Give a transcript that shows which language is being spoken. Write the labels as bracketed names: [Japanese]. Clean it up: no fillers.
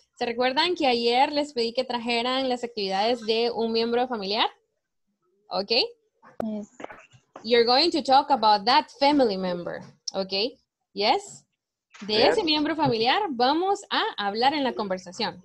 [Spanish] ¿Se recuerdan que ayer les pedí que trajeran las actividades de un miembro familiar? [English] Okay? Yes. You're going to talk about that family member. Okay, yes. [Spanish] De ese miembro familiar vamos a hablar en la conversación.